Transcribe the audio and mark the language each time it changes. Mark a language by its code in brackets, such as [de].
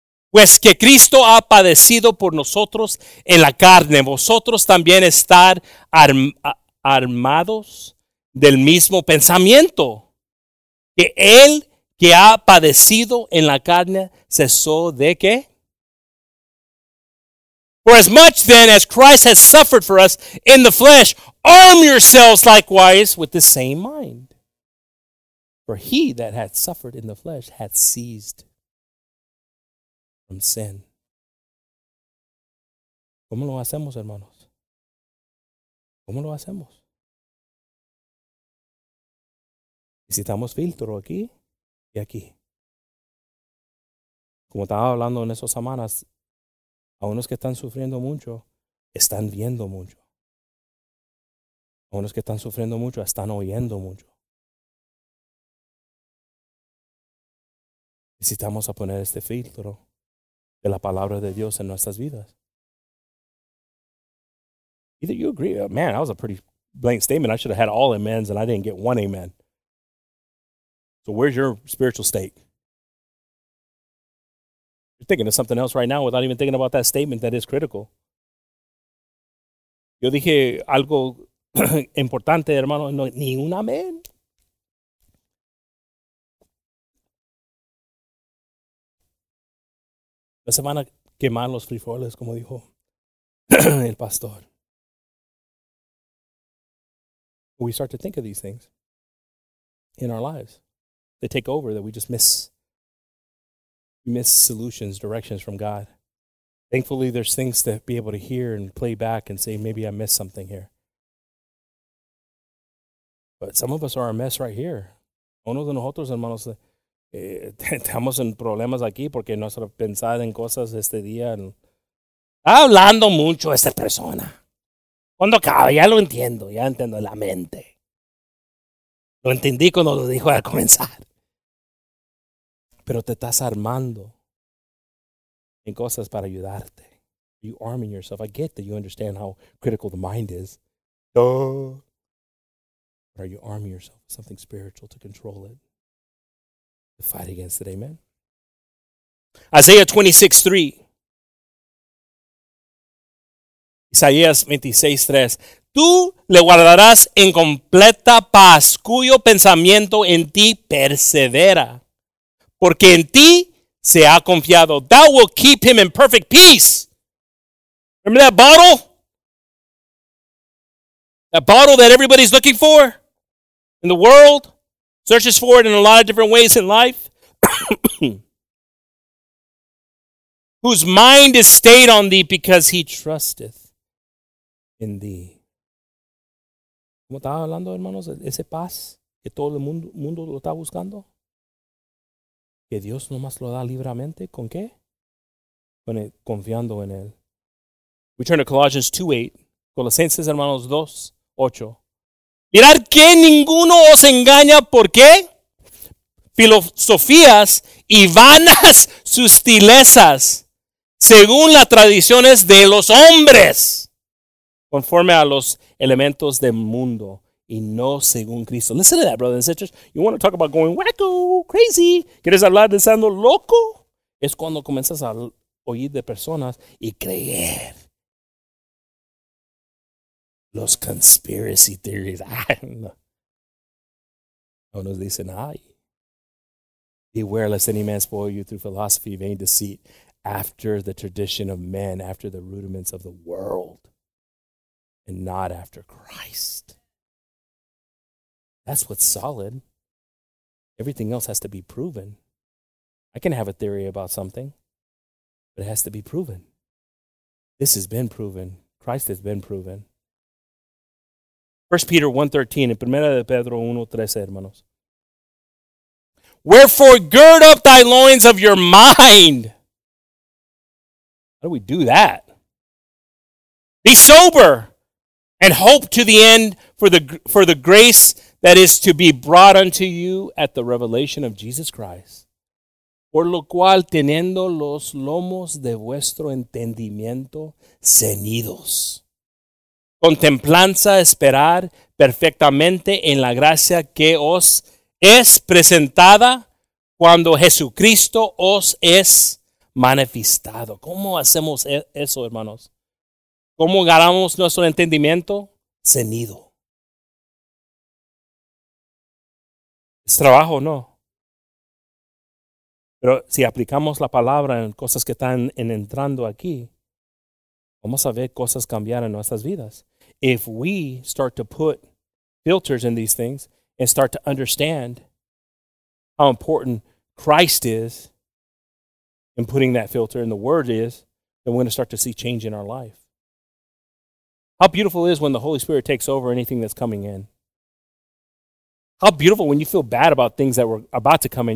[es] Pues que Cristo ha padecido por nosotros en la carne, vosotros también estar armados del mismo pensamiento. Que él que ha padecido en la carne cesó de qué? [en] For as much then as Christ has suffered for us in the flesh, arm yourselves likewise with the same mind. For he that hath suffered in the flesh hath ceased from sin. [es] ¿Cómo lo hacemos, hermanos? ¿Cómo lo hacemos? Necesitamos filtro aquí y aquí. Como estaba hablando en esas semanas, a unos que están sufriendo mucho, están viendo mucho. A unos que están sufriendo mucho, están oyendo mucho. Necesitamos a poner este filtro de la palabra de Dios en nuestras vidas. [en] Either you agree, man, that was a pretty blank statement. I should have had all amens and I didn't get one amen. So where's your spiritual state? You're thinking of something else right now without even thinking about that statement that is critical. [es] Yo dije algo importante, hermano, no, ni un amen. La semana quemar los frijoles, como dijo el pastor. [en] We start to think of these things in our lives. They take over that we just miss. We miss solutions, directions from God. Thankfully, there's things to be able to hear and play back and say, maybe I missed something here. But some of us are a mess right here. [es] Uno de nosotros, hermanos, estamos en problemas aquí porque no se pensar en cosas este día. Está hablando mucho esta persona. Cuando acaba, ya entiendo la mente. Lo entendí cuando lo dijo al comenzar. Pero te estás armando en cosas para ayudarte. [en] You arming yourself. I get that you understand how critical the mind is. But are you arming yourself with something spiritual to control it? To fight against it, amen? Isaiah 26:3. [es] Isaías 26:3. Tú le guardarás en completa paz, cuyo pensamiento en ti persevera. Porque en ti se ha confiado. [en] Thou will keep him in perfect peace. Remember that bottle? That bottle that everybody's looking for in the world, searches for it in a lot of different ways in life. Whose mind is stayed on thee because he trusteth. [es] En ti. Como estaba hablando, hermanos, ese paz que todo el mundo lo está buscando. Que Dios nomás lo da libremente. ¿Con qué? Con el, confiando en Él. [en] We turn to Colossians 2:8. [es] Colosenses, hermanos, 2:8. Mirad que ninguno os engaña. ¿Por qué? Filosofías y vanas sutilezas. Según las tradiciones de los hombres. Conforme a los elementos del mundo y no según Cristo. [en] Listen to that, brothers and sisters. You want to talk about going wacko, crazy. [es] ¿Quieres hablar de siendo loco? Es cuando comienzas a oír de personas y creer. [en] Los conspiracy theories. [es] Unos dicen, ay. [en] Beware lest any man spoil you through philosophy, vain deceit, after the tradition of men, after the rudiments of the world. And not after Christ. That's what's solid. Everything else has to be proven. I can have a theory about something, but it has to be proven. This has been proven. Christ has been proven. 1 Peter 1:13 and [es] 1 Pedro 1:13, hermanos. [en] Wherefore, gird up thy loins of your mind. How do we do that? Be sober. And hope to the end for the grace that is to be brought unto you at the revelation of Jesus Christ. [es] Por lo cual, teniendo los lomos de vuestro entendimiento ceñidos, contemplanza esperar perfectamente en la gracia que os es presentada cuando Jesucristo os es manifestado. ¿Cómo hacemos eso, hermanos? ¿Cómo ganamos nuestro entendimiento? Cenido. Es trabajo, ¿no? Pero si aplicamos la palabra en cosas que están entrando aquí, vamos a ver cosas cambiar en nuestras vidas. [en] If we start to put filters in these things and start to understand how important Christ is in putting that filter in the Word is, then we're going to start to see change in our life. How beautiful it is when the Holy Spirit takes over anything that's coming in. How beautiful when you feel bad about things that were about to come in.